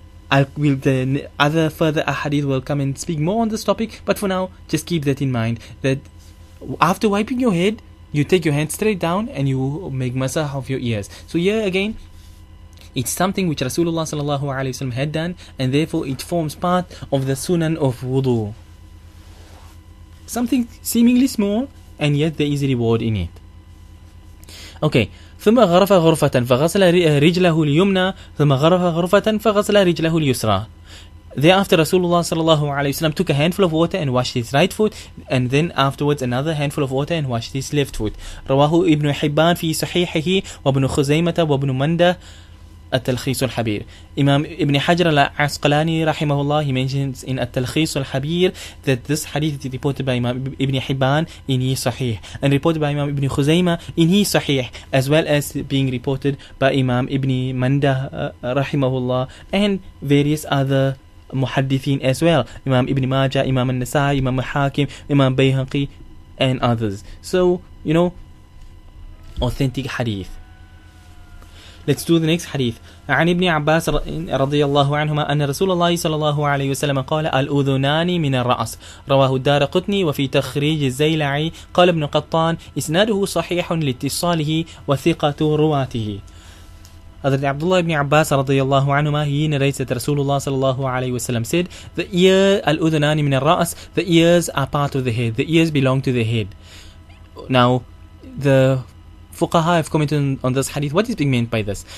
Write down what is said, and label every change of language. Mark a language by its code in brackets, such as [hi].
[en] Further ahadith will come and speak more on this topic, but for now, just keep that in mind, that after wiping your head, you take your hand straight down and you make masah of your ears. So here again, it's something which Rasulullah sallallahu alaihi wasallam had done, and therefore it forms part of the Sunan of Wudu. Something seemingly small, and yet there is a reward in it. Okay. [ar] ثم غرف غرفة فغسل رجله اليمنى ثم غرف غرفة فغسل رجله اليسرى. [en] Thereafter, Rasulullah sallallahu alaihi wasallam took a handful of water and washed his right foot, and then afterwards another handful of water and washed his left foot. [ar] رواه ابن حبان في صحيحه وابن خزيمة وابن مندة. التلخيص الحبير. [en] Imam Ibn Hajar al-Asqalani rahimahullah, he mentions in At-Talkhis al-Habir that this hadith is reported by Imam Ibn Hibban in his Sahih, and reported by Imam Ibn Khuzayma in his Sahih, as well as being reported by Imam Ibn Mandah rahimahullah and various other muhaddithin as well, Imam Ibn Majah, Imam al-Nasa'i, Imam al-Hakim, Imam Bayhaqi and others. So, you know, authentic hadith. Let's do the next hadith. [ar] عن ابن عباس رضي الله عنهما أن رسول الله صلى الله عليه وسلم قال الأذنان من الرأس. رواه الدارقطني وفي تخريج الزيلعي قال ابن قطان إسناده صحيح لاتصاله وثقة رواته. [en] Hazrat Abdullah ibn Abbas radiyallahu anhuma, he narrates that Rasulullah sallallahu alayhi wasallam said, the ear [ar] al-udhunani min al-ra'as, [en] the ears are part of the head, the ears belong to the head. Now the Fuqaha have commented on this hadith. What is being meant by this?